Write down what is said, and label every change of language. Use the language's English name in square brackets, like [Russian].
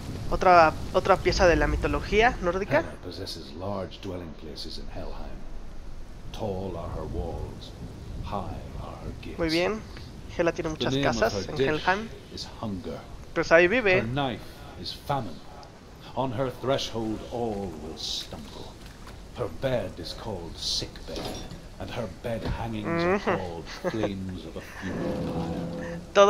[Spanish] Otra pieza de la mitología nórdica. [English] Hela possesses large dwelling places in Helheim. Tall are her walls, high are her gates. [Spanish] Muy bien. Hela tiene muchas casas en Helheim. [English] Is hunger. [Spanish] Pues ahí vive. [English] Her knife is famine. On her threshold all will stumble. Her bed is called sick bed, and her bed hangings are called flames of a funeral pyre.